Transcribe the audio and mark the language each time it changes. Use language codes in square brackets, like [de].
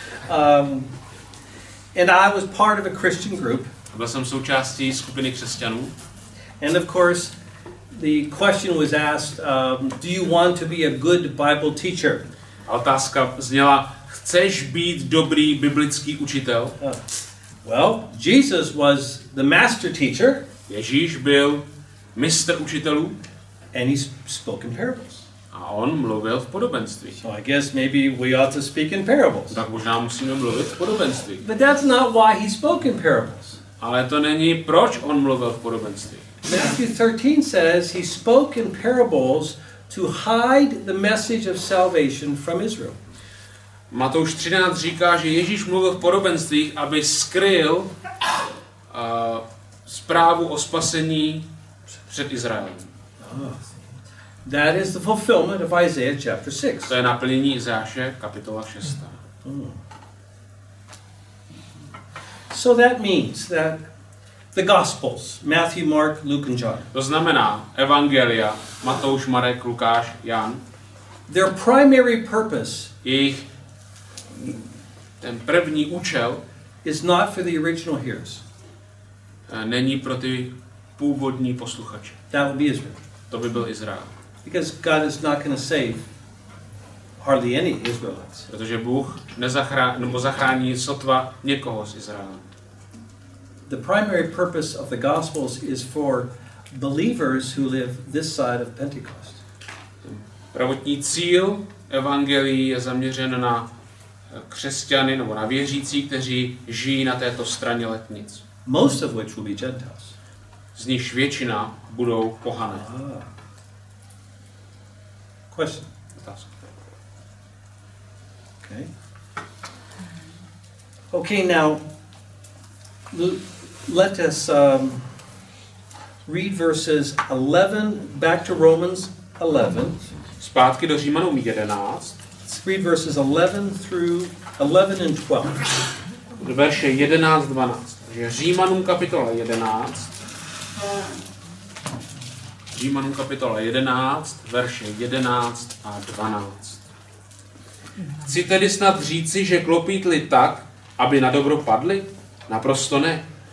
[en] And I was part of a Christian group. [cs] Byl jsem součástí skupiny křesťanů. [en] And of course, the question was asked, do you want to be a good Bible teacher? [cs] A otázka zněla, chceš být dobrý biblický učitel? [en] Well, Jesus was the master teacher. [cs] Ježíš byl mistr učitelů. [en] And he spoke in parables. [cs] A on mluvil v podobenstvích. [en] So I guess maybe we ought to speak in parables. [cs] Tak možná musíme mluvit v podobenstvích. [en] But that's not why he spoke in parables. [cs] Ale to není proč on mluvil v podobenstvích. [en] Matthew 13 says he spoke in parables to hide the message of salvation from Israel. [cs] Matouš 13 říká, že Ježíš mluvil v podobenstvích, aby skryl zprávu o spasení před Izraelem. [en] That is the fulfillment of Isaiah chapter 6. [cs] To je naplnění Izajáše kapitola 6. [en] So that means that the Gospels, Matthew, Mark, Luke and John. [cs] To znamená evangelia Matouš, Marek, Lukáš, Jan. [en] Their primary purpose. [cs] Jejich ten první účel [en] is not for the original hearers. [cs] Není pro ty původní posluchače. [en] That would be Israel. [cs] To by byl Izrael. [en] Because God is not going to save hardly any Israelites. [cs] Protože Bůh zachrání sotva někoho z Izraela. [en] The primary purpose of the Gospels is for believers who live this side of Pentecost. [cs] Prvotní cíl evangelií je zaměřen na křesťany nebo na věřící, kteří žijí na této straně letnic. [en] Most of which will be Gentiles. [cs] Z nich většina budou pohané. [en] Question. Okay, now let us read verses 11 back to Romans 11. [cs] Zpátky do Římanům 11. [en] Let's read verses 11 through 11 and 12. [cs] Verše 11-12. Římanům kapitola 11. Římanům kapitola 11, verše 11 a 12. Chci tedy snad říci, že klopítli tak, aby na dobro padli? Naprosto ne.